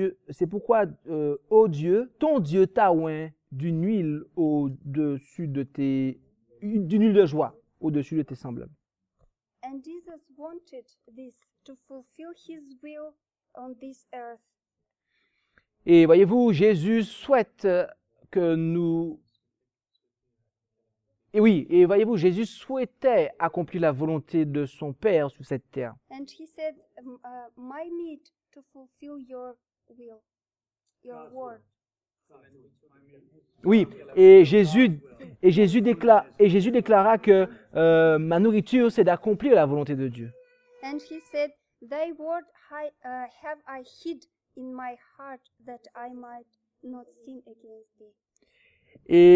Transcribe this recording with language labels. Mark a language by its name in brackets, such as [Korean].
[French] C'est pourquoi, ô Dieu, ton Dieu t'a oint d'une huile au-dessus de tes, d'une huile de joie au-dessus de tes semblables. [English] And Jesus wanted this to fulfill his will on this earth. [French] Et voyez-vous, Jésus souhaite que nous. Et oui, et voyez-vous, Jésus souhaitait accomplir la volonté de son Père sur cette terre. [English] And he said, my need to fulfill your will, your word. [French] Oui, et Jésus déclara que ma nourriture c'est d'accomplir la volonté de Dieu. [English] And he said, thy word have I hid in my heart that I might not sin against thee.